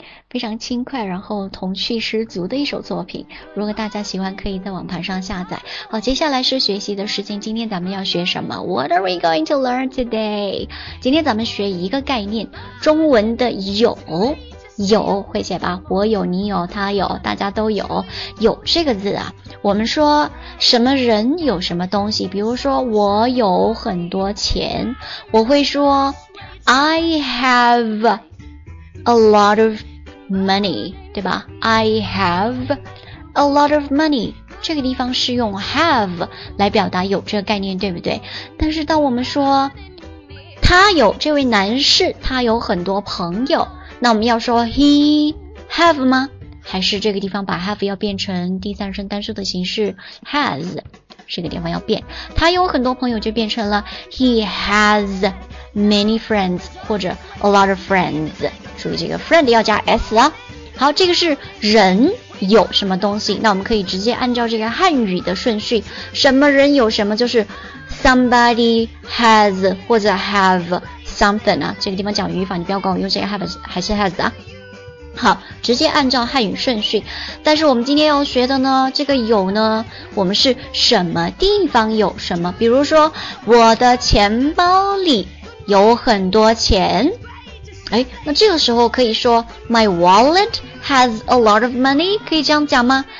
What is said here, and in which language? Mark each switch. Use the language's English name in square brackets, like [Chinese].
[Chinese] 非常轻快，然后童趣十足的一首作品，如果大家喜欢可以在网盘上下载。好，接下来是学习的时间，今天咱们要学什么？ [English] What are we going to learn today? [Chinese] 今天咱们学一个概念，中文的有会写吧，我有你有他有大家都有这个字啊，我们说什么人有什么东西，比如说我有很多钱，我会说 [English] I have a lot ofmoney, [Chinese] 对吧 ? [English] I have a lot of money. [Chinese] 这个地方是用 have 来表达有这个概念，对不对？但是当我们说他有，这位男士他有很多朋友，那我们要说 [English] he have [Chinese] 吗？还是这个地方把 have 要变成第三人称单数的形式 has, 这个地方要变。他有很多朋友就变成了 [English] he has many friends, [Chinese] 或者 [English] a lot of friends. [Chinese] 注意这个 friend 要加 s 啊。好，这个是人有什么东西，那我们可以直接按照这个汉语的顺序，什么人有什么，就是 [English] somebody has 或者 have something [Chinese] 啊。这个地方讲语法，你不要管我用这个 have 还是 has 啊。好，直接按照汉语顺序，但是我们今天要学的呢，这个有呢，我们是什么地方有什么，比如说我的钱包里有很多钱，哎，那这个时候可以说 [English] My wallet has a lot of money, [Chinese] 可以这样讲吗？